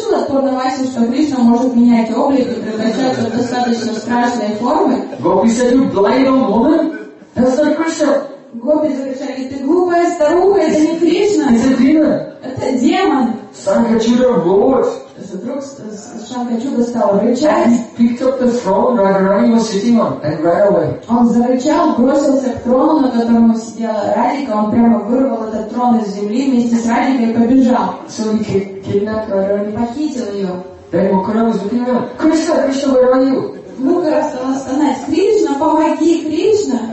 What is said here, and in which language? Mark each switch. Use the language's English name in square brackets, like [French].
[Russian] От Пурнаваси, что Кришна может менять облик и превращаться в достаточно страшные формы. [English] Gopi said, you blind old woman? That's not Krishna. [Russian] Gopi закричали, ты глупая старуха, это не Кришна. [English] It's a demon. [Russian] Это демон. [English] Shankachuda roared. [Russian] Вдруг Шанкачуда стал рычать. [English] He picked up the throne Radharani was sitting on and ran away. [Russian] Он зарычал, бросился к трону, на котором сидела Радика. Он прямо вырвал этот трон из земли вместе с Радикой и побежал. [English] So he kidnapped Radharani. [Russian] Похитил ее. [English] Then Mukhara was looking around. Krishna, Krishna, where are you? [Russian] Mukhara стала стонать. Кришна, помоги, Кришна.